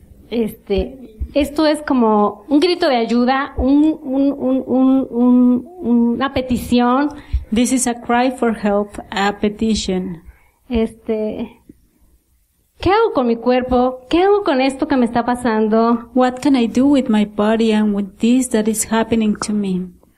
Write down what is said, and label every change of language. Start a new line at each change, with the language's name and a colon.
Spanish: Esto es como un grito de ayuda, una petición.
English: This is a cry for help, a petition.
Spanish: ¿Qué hago con mi cuerpo? ¿Qué hago con esto que me está pasando?
English: What can I do with my body and with this that is happening to me?